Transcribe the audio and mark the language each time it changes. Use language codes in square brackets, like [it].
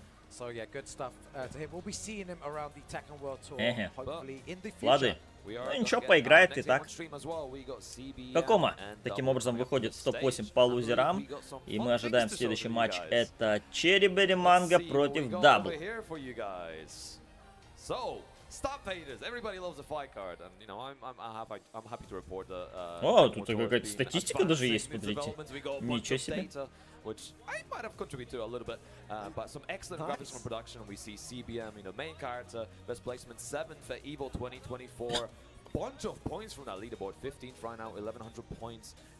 [en] So yeah, good stuff to him. We'll be seeing him around the Tekken World Tour, hopefully in the future. [ru] Ну ничего, поиграет и так. Кокома таким образом выходит в топ-8 по лузерам. И мы ожидаем следующий матч. Это Cherry Berry Manga против Double. О, тут какая-то статистика даже есть, смотрите. Ничего себе. [en] Which I might have contributed to a little bit, but some excellent nice. Graphics from production. We see CBM, you know, main character, best placement 7 for EVO 2024. Bunch of points from that leaderboard, 15th right now, 1100 points.